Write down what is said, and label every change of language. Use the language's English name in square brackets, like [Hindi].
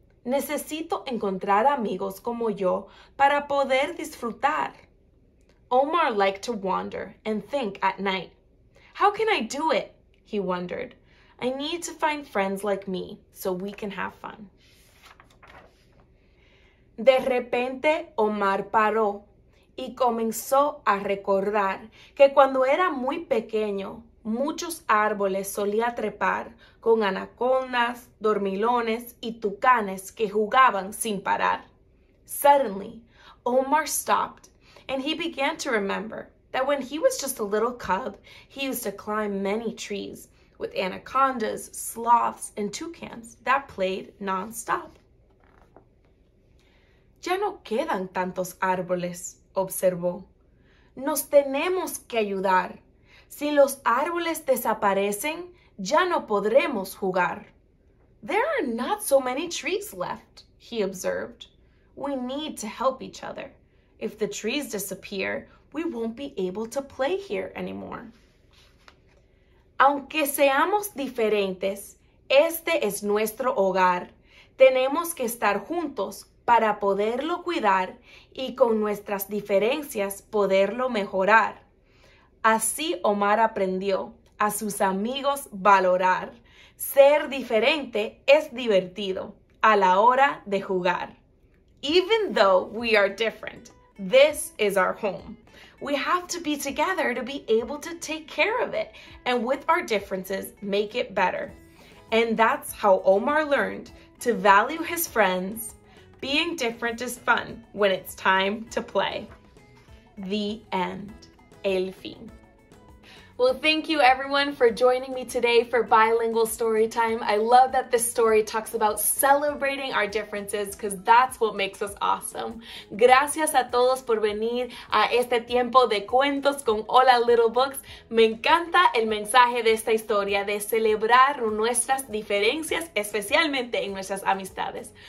[Spanish] Necesito encontrar amigos como yo para poder disfrutar. [English] Omar liked to wander and think at night. How can I do it? He wondered. I need to find friends like me so we can have fun. [Spanish] De repente, Omar paró y comenzó a recordar que cuando era muy pequeño, muchos árboles solía trepar con anacondas, dormilones y tucanes que jugaban sin parar. [English] Suddenly, Omar stopped and he began to remember that when he was just a little cub, he used to climb many trees with anacondas, sloths, and toucans that played nonstop. [Spanish] Ya no quedan tantos árboles, observó. Nos tenemos que ayudar. Si los árboles desaparecen, ya no podremos jugar. [English] There are not so many trees left, he observed. We need to help each other. If the trees disappear, we won't be able to play here anymore. [Spanish] Aunque seamos diferentes, este es nuestro hogar. Tenemos que estar juntos para poderlo cuidar y con nuestras diferencias poderlo mejorar. Así Omar aprendió a sus amigos valorar. Ser diferente es divertido a la hora de jugar. [English] Even though we are different, this is our home. We have to be together to be able to take care of it and with our differences make it better. And that's how Omar learned to value his friends. Being different is fun when it's time to play. The end. [Spanish] El fin. [English] Well, thank you everyone for joining me today for Bilingual Storytime. I love that this story talks about celebrating our differences because that's what makes us awesome. [Spanish] Gracias a todos por venir a este tiempo de cuentos con Hola Little Books. Me encanta el mensaje de esta historia de celebrar nuestras diferencias, especialmente en nuestras amistades.